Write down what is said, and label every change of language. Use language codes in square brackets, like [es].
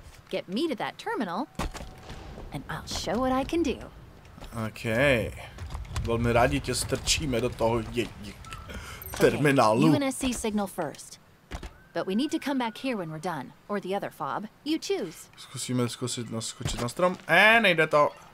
[en] Get me to that terminal and I'll show what I can do. Okay. [cs] Velmi rádi tě strčíme do toho terminálu. [en] UNSC signal first. But we need to come back here when we're done, or the other fob. You choose. [cs] Zkusíme zkusit naskočit na strom. Nejde to.